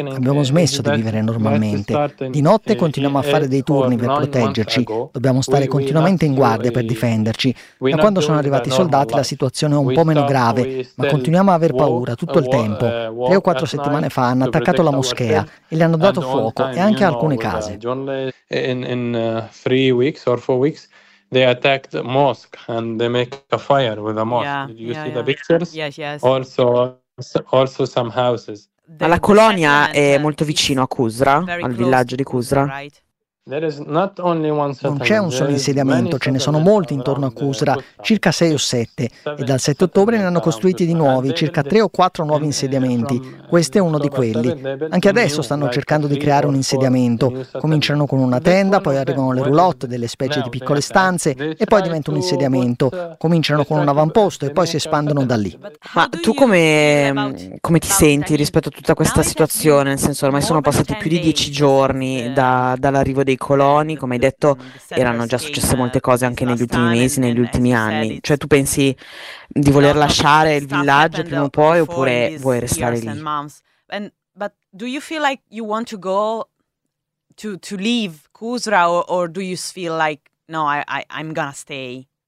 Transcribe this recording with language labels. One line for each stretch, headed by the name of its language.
Italian: Abbiamo smesso di vivere normalmente. Di notte continuiamo a fare dei turni per proteggerci. Dobbiamo stare continuamente in guardia per difenderci. Da quando sono arrivati i soldati la situazione è un po' meno grave, ma continuiamo a aver paura tutto il tempo. 3 o 4 settimane fa hanno attaccato la moschea e le hanno dato fuoco, e anche alcune case.
English: In 3 weeks or 4 weeks they attacked the mosque and they make a fire with a mosque. Did you see the pictures? Yes. Also some houses.
Italian: Ma la colonia è molto vicino a Kusra, al villaggio di Kusra. Non c'è un solo insediamento, ce ne sono molti intorno a Kusra, circa 6 o 7, e dal 7 ottobre ne hanno costruiti di nuovi, circa 3 o 4 nuovi insediamenti. Questo è uno di quelli. Anche adesso stanno cercando di creare un insediamento. Cominciano con una tenda, poi arrivano le roulotte, delle specie di piccole stanze, e poi diventa un insediamento. Cominciano con un avamposto e poi si espandono da lì. Ma tu come ti senti rispetto a tutta questa situazione? Nel senso, ormai sono passati più di 10 giorni dall'arrivo dei coloni, come hai detto, erano già successe molte cose anche negli ultimi mesi, negli ultimi anni. Cioè, tu pensi di voler lasciare il villaggio prima o poi, oppure vuoi restare lì?
English: But do you feel like you want to go to leave Kusra, or do you feel like no, I'm gonna stay?